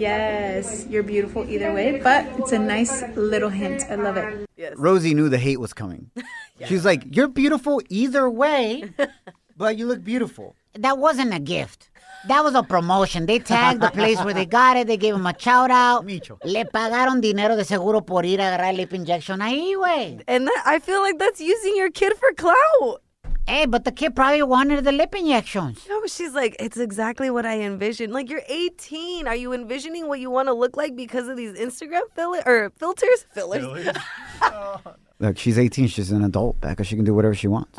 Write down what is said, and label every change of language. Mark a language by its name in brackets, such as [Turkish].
[English] Yes, you're beautiful either way, but it's a nice little hint. I love it. Yes. Rosy knew the hate was coming. Yeah. She's like, you're beautiful either way, but you look beautiful. That wasn't a gift. That was a promotion. They tagged the place where they got it. They gave him a shout out. Micho. [Spanish] Le pagaron dinero de seguro por ir a agarrar lip injection ahí, güey. [English] And that, I feel like that's using your kid for clout. Hey, but the kid probably wanted the lip injections. No, she's like, it's exactly what I envisioned. Like, you're 18. Are you envisioning what you want to look like because of these Instagram filters? Fillers. Look, she's 18. She's an adult, Becca. She can do whatever she wants.